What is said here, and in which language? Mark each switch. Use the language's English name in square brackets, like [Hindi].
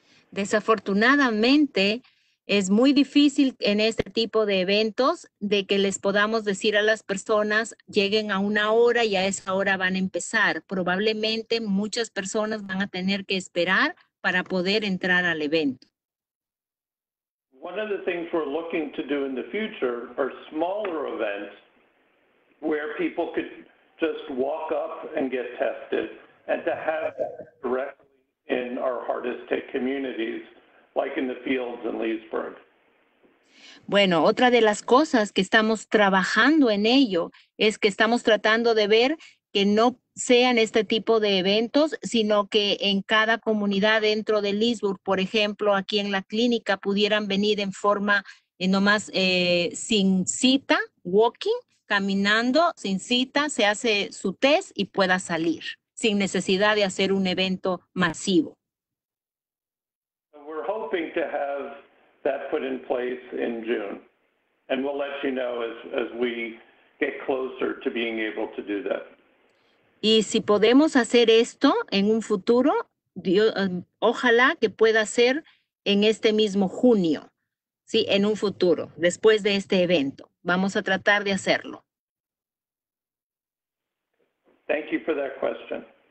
[Spanish] Desafortunadamente, es muy difícil en este tipo de eventos de que les podamos decir a las personas lleguen a una hora y a esa hora van a empezar. Probablemente muchas personas van a tener que esperar para poder entrar al evento. [English] One of the things we're looking to do in the future are smaller events where people could just walk up and get tested and to have that directly in our hardest hit communities. Like in the fields in Leesburg. [Spanish] Bueno, otra de las cosas que estamos trabajando en ello es que estamos tratando de ver que no sean este tipo de eventos, sino que en cada comunidad dentro de Leesburg, por ejemplo, aquí en la clínica, pudieran venir en forma nomás sin cita, walking, caminando sin cita, se hace su test y pueda salir sin necesidad de hacer un evento masivo. [English] We're hoping to have that put in place in June, and we'll let you know as we get closer to being able to do that. [Spanish] Y si podemos hacer esto en un futuro, Dios, ojalá que pueda ser en este mismo junio, ¿sí? En un futuro, después de este evento. Vamos a tratar de hacerlo. [English] Thank you for that question.